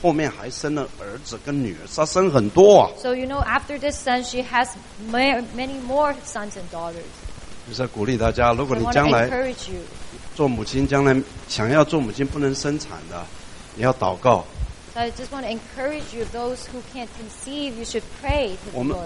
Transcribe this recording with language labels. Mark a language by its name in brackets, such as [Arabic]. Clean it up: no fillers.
[Chinese] 你们当中有多少人知道她生了这儿子以后后面还生了儿子跟女儿她生很多啊。 So [English] you know, after this son, she has many more sons and daughters. [Chinese] 就是鼓励大家如果你将来做母亲将来想要做母亲不能生产的你要祷告。 [English] So I just want to encourage you, those who can't conceive, you should pray to the Lord.